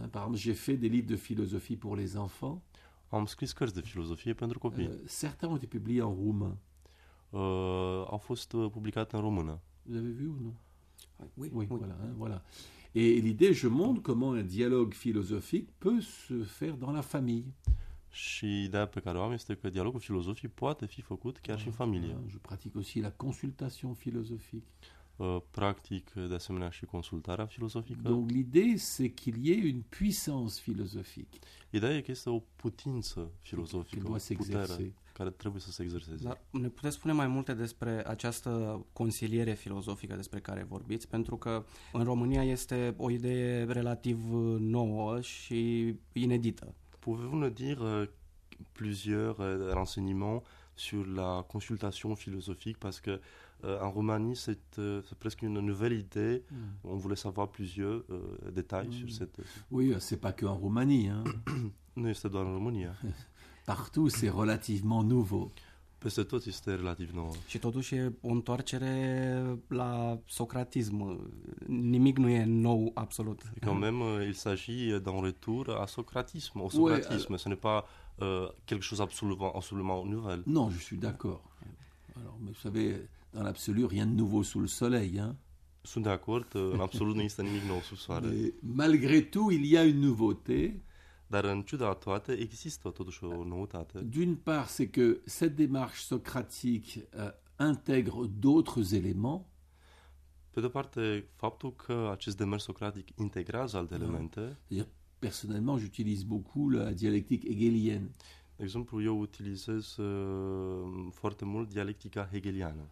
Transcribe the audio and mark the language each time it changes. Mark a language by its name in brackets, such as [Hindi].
[French] Par exemple, j'ai fait des livres de philosophie pour les enfants. [Romanian] Am scris cărți de filozofie pentru copii. [French] Certains ont été publiés en roumain. [Romanian] Au fost publicate în română. [French] Vous avez vu ou non? Oui. Voilà, hein, voilà. Et l'idée, je montre comment un dialogue philosophique peut se faire dans la famille. [Romanian] Și ideea pe care o am este că dialogul filozofic poate fi făcut chiar și în familie. [French] Je pratique aussi la consultation philosophique. [Romanian] Practic de asemenea și consultarea filozofică. [French] Donc l'idée, c'est qu'il y ait une puissance philosophique. [Romanian] Ideea e că este o putință filozofică, o putere care trebuie să se exerseze. Dar ne puteți spune mai multe despre această consiliere filozofică despre care vorbiți? Pentru că în România este o idee relativ nouă și inedită. [French] Pouvez-vous nous dire plusieurs renseignements sur la consultation philosophique? Parce que en Roumanie, c'est presque une nouvelle idée. Mm. On voulait savoir plusieurs détails sur cette. Oui, c'est pas que en Roumanie. Non, c'est dans la Roumanie. Partout, c'est relativement nouveau. [Romanian] Peste tot este relativ nou. Și totuși e o întoarcere la socratism. Nimic nu e nou absolut. [French] Quand même, il s'agit d'un retour à socratism. Au socratisme, ce n'est pas quelque chose absolument nouvel. Non, je suis d'accord. Alors, mais vous savez, dans l'absolu, rien de nouveau sous le soleil. [Romanian] Sunt de acord, în absolut nu există nimic nou sub soare. [French] Malgré tout, il y a une nouveauté. [Romanian] Dar în ciuda toate, există totuși o noutate. [French] D'une part, c'est que cette démarche socratique intègre d'autres éléments. [Romanian] Pe de parte, faptul că acest demers socratic integrează alte elemente. [French] Personnellement, j'utilise beaucoup la dialectique hegelienne. [Romanian] De exemplu, eu utilizez foarte mult dialectica hegeliană.